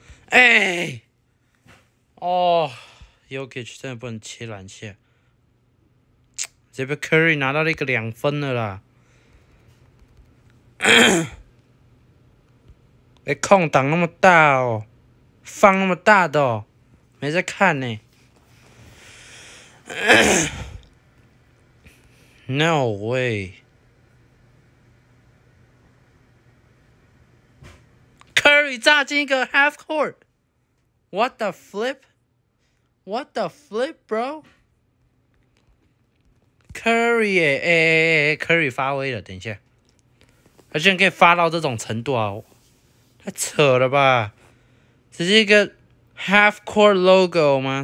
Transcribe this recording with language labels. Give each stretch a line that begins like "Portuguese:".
Chinese: 哎、欸，哦 ，Jokic 真的不能切篮线，这边 Curry 拿到了一个两分了啦。哎、欸，空档那么大哦，放那么大的哦，没在看呢。
English: No way， Curry
Chinese: 炸进一个
English: half court， What the flip？ What the flip， bro？
Chinese: Curry 耶、Curry 发威了，等一下，他居然可以发到这种程度啊！太扯了吧！这是一个
English: half court logo
Chinese: 吗？